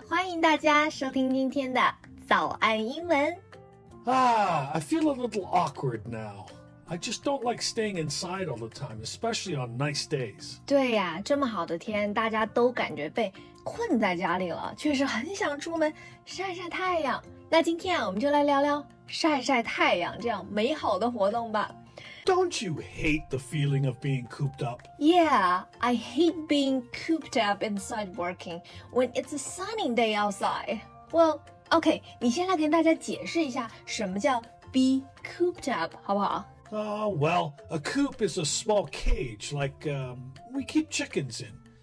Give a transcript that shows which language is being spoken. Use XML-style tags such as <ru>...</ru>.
<zh>欢迎大家收听今天的早安英文。</zh> <en>I feel a little awkward now. I just don't like staying inside all the time, especially on nice days.</en> <zh>对呀、啊，这么好的天，大家都感觉被困在家里了，确实很想出门晒晒太阳。那今天啊，我们就来聊聊晒晒太阳这样美好的活动吧。</zh> <en>Don't you hate the feeling of being cooped up? Yeah, I hate being cooped up inside working when it's a sunny day outside. Well, okay,</en> <zh>你先来跟大家解释一下什么叫 be cooped up, 好不好？</zh> <en>Well, a coop is a small cage like, we keep chickens in.</en>